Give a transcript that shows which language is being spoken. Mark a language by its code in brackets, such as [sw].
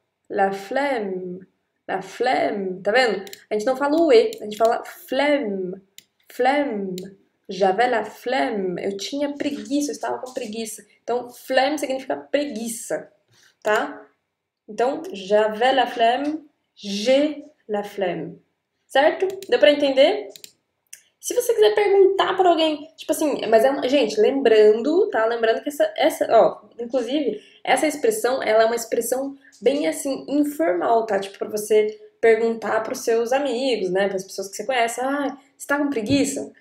[pt] La flemme, tá vendo? A gente não fala o E, a gente fala flemme, flemme. [fr] J'avais la flemme, [pt] eu tinha preguiça, eu estava com preguiça. Então, flemme significa preguiça, tá? [fr] Então, j'avais la flemme, j'ai la flemme. [pt] Certo? Deu para entender? Se você quiser perguntar para alguém, tipo assim, mas é uma, gente, lembrando, tá? Lembrando que ó, inclusive, essa expressão, ela é uma expressão bem assim informal, tá? Tipo para você perguntar para os seus amigos, né, para as pessoas que você conhece, ah, você tá com preguiça?